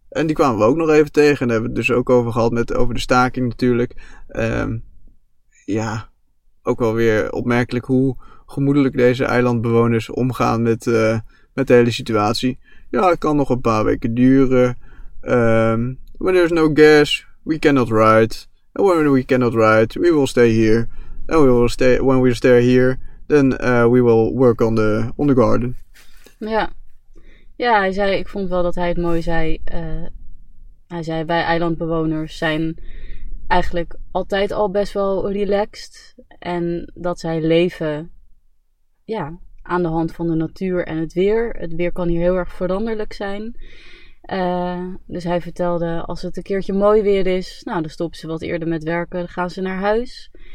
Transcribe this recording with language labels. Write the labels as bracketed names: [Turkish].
[Dutch] En die kwamen we ook nog even tegen. En daar hebben we het dus ook over gehad over de staking natuurlijk. Ja, ook wel weer opmerkelijk hoe gemoedelijk deze eilandbewoners omgaan met de hele situatie. Ja, het kan nog een paar weken duren. [English] When there's no gas, we cannot ride. And when we cannot ride, we will stay here. And we will stay, when we stay here, then we will work on the garden. [Dutch] Ja. Ja, hij zei, ik vond wel dat hij het mooi zei. Hij zei, wij eilandbewoners zijn eigenlijk altijd al best wel relaxed. En dat zij leven, ja, aan de hand van de natuur en het weer. Het weer kan hier heel erg veranderlijk zijn. Dus hij vertelde, als het een keertje mooi weer is, nou, dan stoppen ze wat eerder met werken, dan gaan ze naar huis.